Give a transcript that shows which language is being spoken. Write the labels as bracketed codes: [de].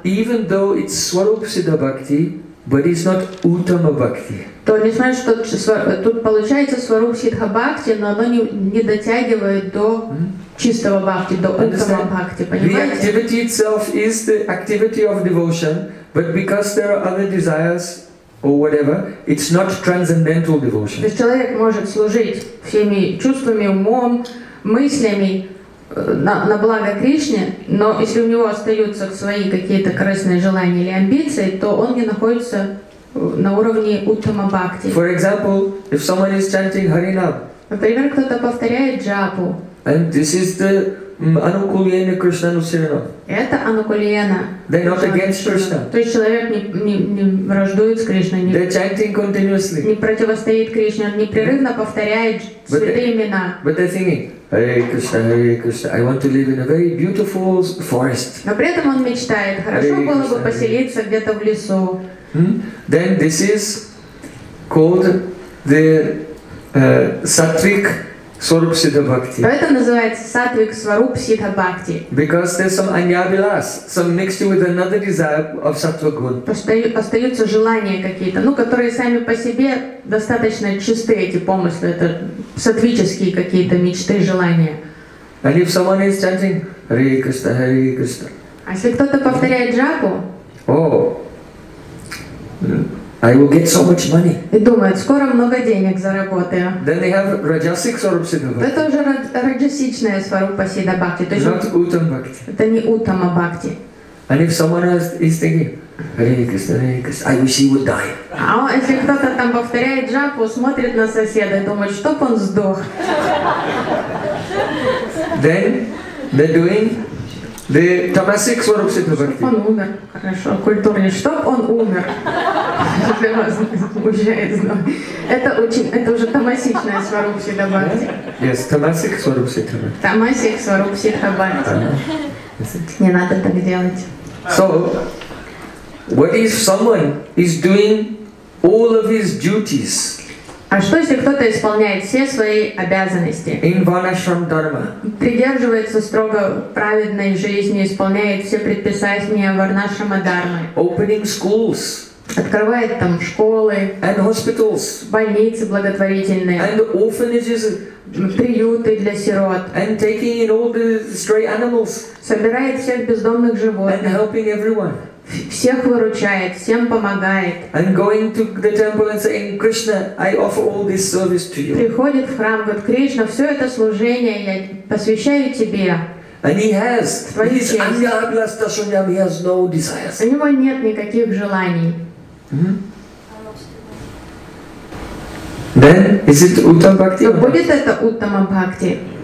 [en] even though it's swarup siddha bhakti, but it's not uttama bhakti, [ru] то не знаю, что тут получается swarup siddha bhakti, но оно не дотягивает до чистого бхакти, до уттама бхакти, понимаете? [en] The activity itself is the activity of devotion, but because there are other desires or whatever, it's not transcendental devotion. [ru] То есть человек может служить всеми чувствами, умом, мыслями на благо Кришне, но если у него остаются свои какие-то корыстные желания или амбиции, то он не находится на уровне уттама бхакти. [en] For example, if someone is chanting Harinam, [ru] Например, кто-то повторяет джапу. [en] And this is the Anukulyena Krishna Nusirana. [ru] Это Anukulyena. [en] They're not against Krishna. [ru] То есть человек не враждует с Кришной. [en] They're chanting continuously. [ru] Не противостоит Кришне, он непрерывно повторяет святые имена. [en] But they're singing, Hare Krishna, Hare Krishna. I want to live in a very beautiful forest. [ru] Но при этом он мечтает, хорошо Hare было бы Krishna, поселиться где-то в лесу. [en] Then this is called the Sattvic Swarup Siddha Bhakti. [ru] Поэтому называется Sattvic Swarup Siddha Bhakti. [en] Because there's some anyabilas, some mixed with another desire of sattva gun. [ru] Остаются желания какие-то, ну которые сами по себе достаточно чисты эти помыслы, это сатвические какие-то мечты, желания. [en] And if someone is chanting Hare Krishna, Hare Krishna. [ru] А если кто-то повторяет джапу? [en] Oh. I will get so much money. [ru] И думают, скоро много денег заработаю. [en] Then they have rajasic swarup siddha bhakti. [ru] Это уже раджасичная сварупа сидда бхакти. [en] Not uttam bhakti. [ru] Это не уттама бхакти. [en] And if someone is thinking, Hare Krishna, Hare Krishna, I wish he would die. [ru] А если кто-то там повторяет джапу, смотрит на соседа и думает, чтоб он сдох. [en] Then they're doing the tamasic swarup siddha bhakti. [ru] Чтоб он умер. Хорошо, культурный. Чтоб он умер. Это очень, это уже тамасичная сварупа сидда бхакти. Yes, тамасик сварупа сидда бхакти. Тамасик сварупа сидда бхакти. Не надо так делать. [en] So, what if someone is doing all of his duties? [ru] А что если кто-то исполняет все свои обязанности? [en] In Vanashram Dharma. [ru] Придерживается строго праведной жизни, исполняет все предписания Варнашрама Дхармы. [en] Opening schools. [ru] Открывает там школы, [en] and hospitals, [ru] больницы благотворительные, [en] and orphanages, [ru] приюты для сирот, [en] and taking in all the stray animals, [ru] собирает всех бездомных животных, [en] and helping everyone, [ru] всех выручает, всем помогает, [en] and going to the temple and saying, Krishna, I offer all this service to you. [ru] Приходит в храм, говорит, Кришна, все это служение я посвящаю тебе. [en] And he has his anyablas tashunyam, he has no desires. [ru] У него нет никаких желаний. [en] Then is it uttam bhakti? [ru] Но будет это уттама бхакти?